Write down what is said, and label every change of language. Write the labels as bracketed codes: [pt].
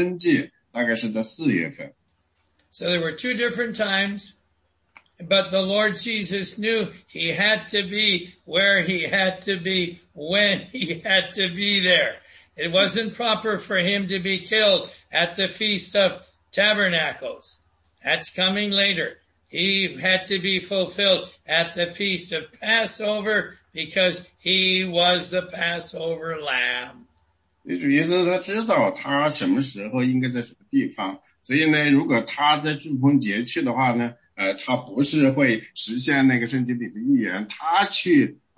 [zh] 因为那个约翰福音第七章你讲到的祝棚节呢，是在秋季，大概是十月份。那么说呢，这里讲的逾越节是在春季，大概是在四月份。So [en] there were two different times, but the Lord Jesus knew he had to be where he had to be. When he had to be there. It wasn't proper for him to be killed at the Feast of Tabernacles. That's coming later. He had to be fulfilled at the Feast of Passover because he was the Passover Lamb. [zh] 也就是说他知道他什么时候应该在什么地方。所以呢，如果他在祝棚节去的话呢，他不是会实现那个圣经里的预言，他去。